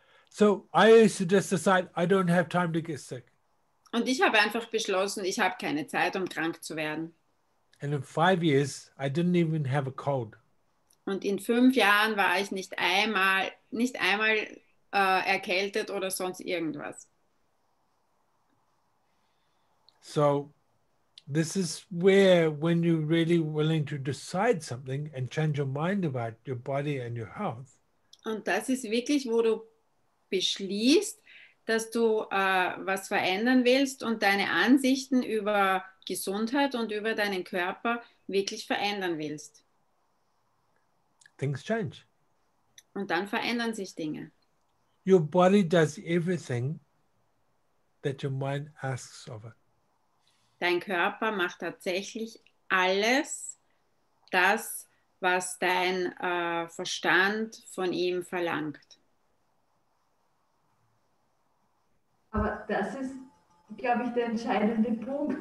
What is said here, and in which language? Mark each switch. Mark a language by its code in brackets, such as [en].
[en] So I used to just decide, I don't have time to get sick. [de] Und ich habe einfach beschlossen, ich habe keine Zeit, um krank zu werden. [en] And in 5 years, I didn't even have a cold. [de] Und in 5 Jahren war ich nicht einmal erkältet oder sonst irgendwas. [en] So, this is where, when you're really willing to decide something and change your mind about your body and your health. [de] Und das ist wirklich, wo du beschließt, dass du was verändern willst und deine Ansichten über Gesundheit und über deinen Körper wirklich verändern willst. [en] Things change. [de] Und dann verändern sich Dinge. [en] Your body does everything that your mind asks of it. [de] Dein Körper macht tatsächlich alles, das, was dein Verstand von ihm verlangt. Aber das ist, glaube ich, der entscheidende Punkt.